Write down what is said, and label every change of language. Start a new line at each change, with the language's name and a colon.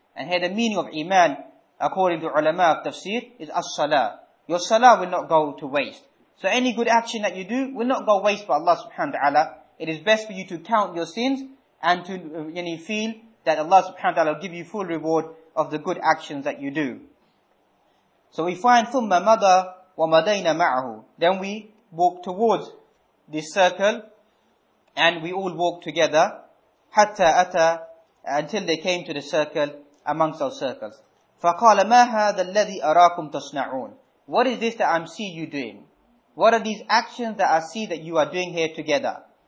English: And here the meaning of iman, according to ulama of tafsir, is as-salah. Your salah will not go to waste. So any good action that you do will not go waste by Allah subhanahu wa ta'ala. It is best for you to count your sins and to feel that Allah subhanahu wa ta'ala will give you full reward of the good actions that you do. So we find,
Arabic: ثُمَّ مَضَى وَمَضَيْنَ مَعَهُ.
English: Then we walk towards this circle, and we all walk together,
Arabic: حَتَّى أَتَى,
English: until they came to the circle, amongst our circles.
Arabic: فَقَالَ مَا هَذَا الَّذِي أَرَاكُمْ تَصْنَعُونَ.
English: What is this that I see you doing? What are these actions that I see that you are doing here together?